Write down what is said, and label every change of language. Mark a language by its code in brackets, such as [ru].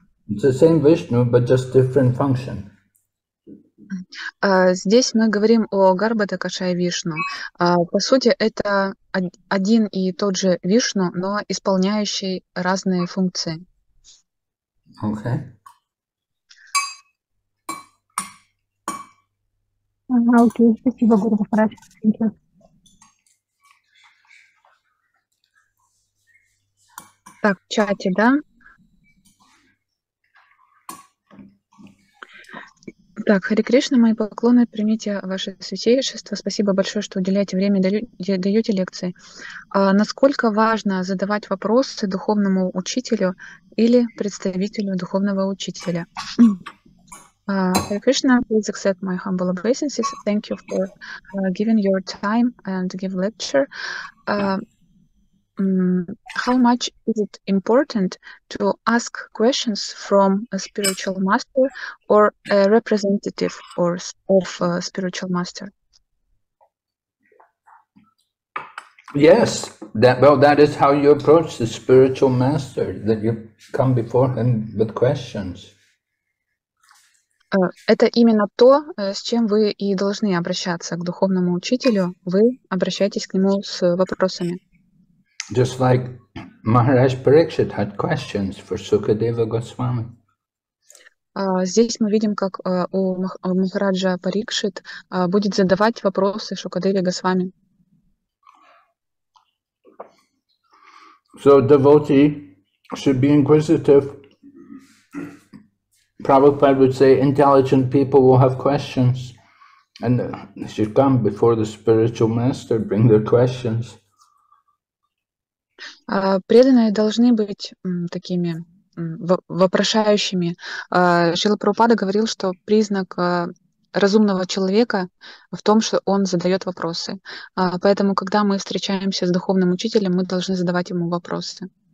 [en] It's the same Vishnu, but just different function. [ru] Здесь мы говорим о Гарбхудакашая Вишну. По сути, это один и тот же Вишну, но исполняющий разные функции. [en] Okay. [ru] Ага, окей, спасибо, Гуру Махарадж. Так, в чате, да? Так, Харе Кришна, мои поклоны, примите ваше святейшество. Спасибо большое, что уделяете время, даете лекции. Насколько важно задавать вопросы духовному учителю или представителю духовного учителя? [en] Харе Кришна, please accept my humble obeisances. Thank you for giving your time and give lecture. How much is it important to ask questions from a spiritual master or a representative of a spiritual master? Yes, that is how you approach the spiritual master, that you come before him with questions. [ru] Это именно то, с чем вы и должны обращаться к духовному учителю. Вы обращаетесь к нему с вопросами. [en] Just like Maharaj Pariksit had questions for Sukadeva Goswami. [ru] Здесь мы видим, как у Махараджа Парикшит будет задавать вопросы Шукадеве Госвами. [en] So devotee should be inquisitive. Prabhupada would say intelligent people will have questions and they should come before the spiritual master, bring their questions. [ru] Преданные должны быть такими вопрошающими. Шрила Прабхупада говорил, что признак разумного человека в том, что он задает вопросы. Поэтому, когда мы встречаемся с духовным учителем, мы должны задавать ему вопросы.